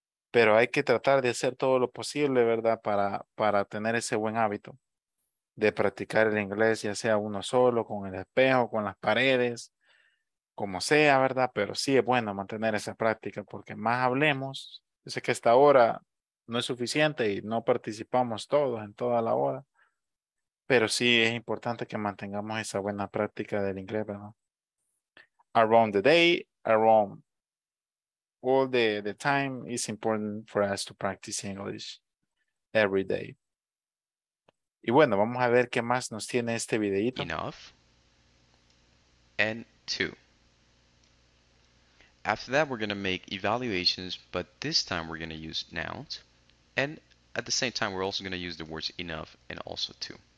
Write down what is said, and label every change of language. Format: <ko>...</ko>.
<es>Pero hay que tratar de hacer todo lo posible, ¿verdad? Para tener ese buen hábito de practicar el inglés, ya sea uno solo, con el espejo, con las paredes, como sea, ¿verdad? Pero sí es bueno mantener esa práctica, porque más hablemos, yo sé que esta hora no es suficiente y no participamos todos en toda la hora, pero sí es importante que mantengamos esa buena práctica del inglés, ¿verdad?</es> <en>Around the day, around all the time, it's important for us to practice English every day.</en> <es>Y bueno, vamos a ver qué más nos tiene este videito.</es> <en>Enough. And two. After that, we're going to make evaluations, but this time we're going to use nouns. And at the same time, we're also going to use the words enough and also two.</en>